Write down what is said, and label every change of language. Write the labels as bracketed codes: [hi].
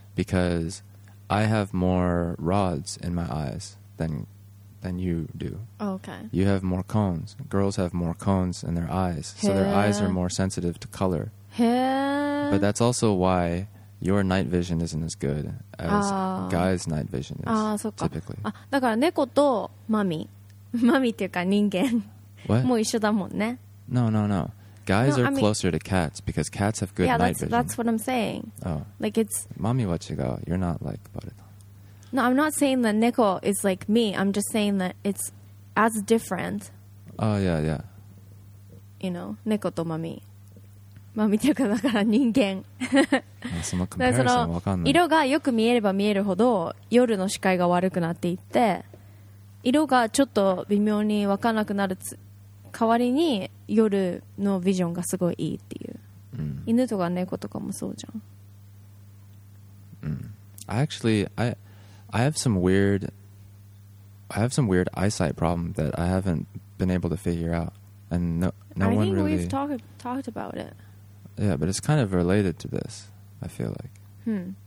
[en] Because I have more rods in my eyes than you do. Okay. You have more cones. Girls have more cones in their eyes. So their eyes are more sensitive to color. But that's also why your night vision isn't as good as guys' night vision is, typically. [ja] だから猫とマミ、マミっていうか人間も一緒だもんね。 [en] No. Guys are closer to cats because cats have good night vision. Yeah, that's what I'm saying. Oh. Like it's... [ja] Mami wa chigao. [en] You're not like... No, I'm not saying that Neko is like me. I'm just saying that it's as different. Oh, yeah. You know, [ja] Neko to Mami. Mami っていうかだから人間。その comparison わかんない。色がよく見えれば見えるほど夜の視界が悪くなっていって、色がちょっと微妙にわかんなくなる代わりに夜のビジョンがすごいいいっていう、うん、犬とか猫とかもそうじゃん、うん、 [en] I have some weird eyesight problem that I haven't been able to figure out and no one really we've talked about it. Yeah, but it's kind of related to this, I feel like.